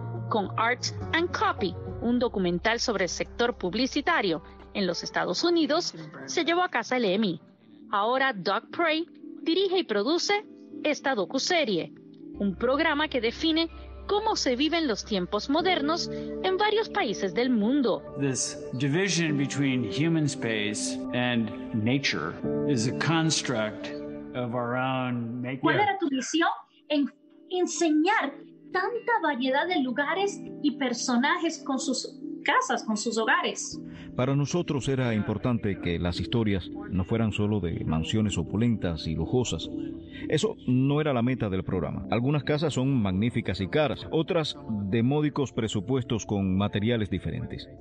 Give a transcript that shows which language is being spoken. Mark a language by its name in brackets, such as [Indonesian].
[Spanish] Con Art and Copy, un documental sobre el sector publicitario en los Estados Unidos, se llevó a casa el Emmy. Ahora Dobrey dirige y produce esta docuserie, un programa que define cómo se viven los tiempos modernos en varios países del mundo. [English] This division between human space and nature is a construct of our own making. [Spanish] ¿Cuál era tu visión en enseñar tanta variedad de lugares y personajes con sus casas, con sus hogares? Para nosotros era importante que las historias no fueran solo de mansiones opulentas y lujosas. Eso no era la meta del programa. Algunas casas son magníficas y caras, otras de módicos presupuestos con materiales diferentes.